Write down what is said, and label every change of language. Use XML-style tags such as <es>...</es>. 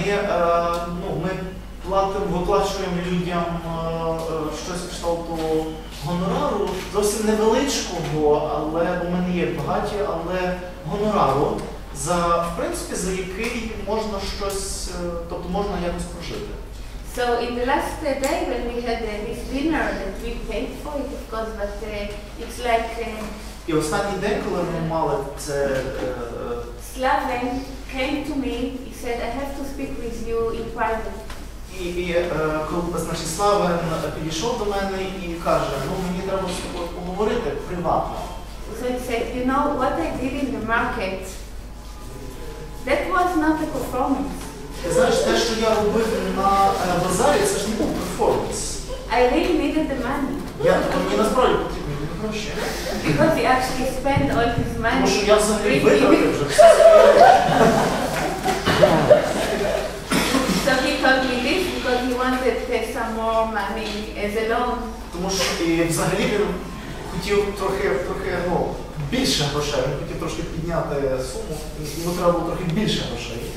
<uk>І ми виплачуємо людям щось кшталту гонорару, зовсім невеличкого, але у мене є багаті, але гонорару, за, в принципі, за який можна щось, тобто можна якось прожити.</uk> <en>So in the last day when we had this dinner that we paid for it, of course, but it's like</en> <uk>і останній день, коли ми мали це</uk> <en>Slaven came to me, he said, I have to speak with you in private.</en> <uk>І значить Slaven підійшов до мене і каже, ну мені треба з тобою поговорити приватно.</uk> <en>So he said, you know what I did in the market? That was not a performance.</en> <uk>Знаєш, те, що я робив на базарі, це ж не був перформанс.</uk> <en>I really needed the money.</en> <uk>Я тобто мені насправді потрібно.</uk> <en>Because he actually spent all his money.</en> <uk>Тому що я взагалі витратив</uk> <en>вже. So he told me this because he wanted to pay some more money as a loan.</en> <uk>Тому що і взагалі він хотів трохи більше грошей. Він хотів трошки підняти суму, йому треба було трохи більше грошей.</uk>